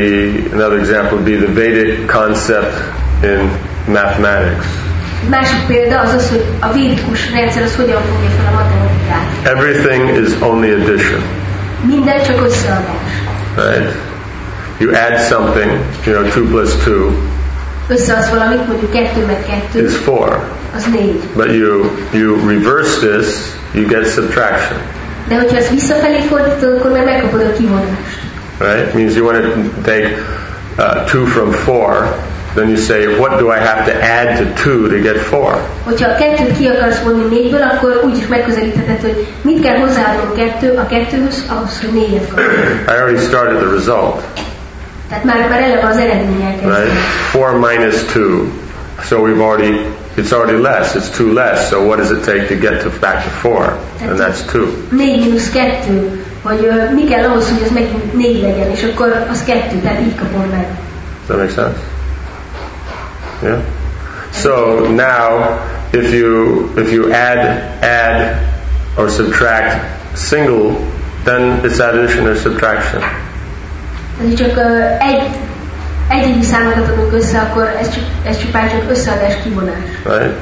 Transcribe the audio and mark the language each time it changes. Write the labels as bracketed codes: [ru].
[en] Another example would be the Vedic concept in mathematics. [hu] Másik példa az az, hogy a védikus rendszer az hogyan fogja fel a matematikát. [en] Everything is only addition. [hu] Minden csak összeadás. [en] Right? You add something, you know, 2 plus 2 [hu] összeadsz valamit, mondjuk 2 meg 2 [en] is 4. [hu] Az 4. [en] But you reverse this, you get subtraction. [hu] De hogyha ezt visszafelé fordítod, akkor meg megkapod a kivonást. [en] Right? Means you want to take 2 from 4, then you say, what do I have to add to 2 to get 4? [hu] Hogyha a 2-t ki akarsz vonni 4-ből, akkor úgy is megközelítheted, hogy mit kell hozzáadnom a 2-höz, ahhoz, hogy 4-et kapjak. [en] I already started the result. [hu] Tehát már eleve az eredmények. [en] Right? 4 minus 2. So we've already, it's already less. It's 2 less. So what does it take to get to back to 4? And that's 2. 4 minus 2. [hu] Vagy mi kell ahhoz, hogy ez megint 4 legyen, és akkor az 2, tehát így kapom meg. [en] Does that make sense? Yeah. So now if you add or subtract single, then it's addition or subtraction. Right?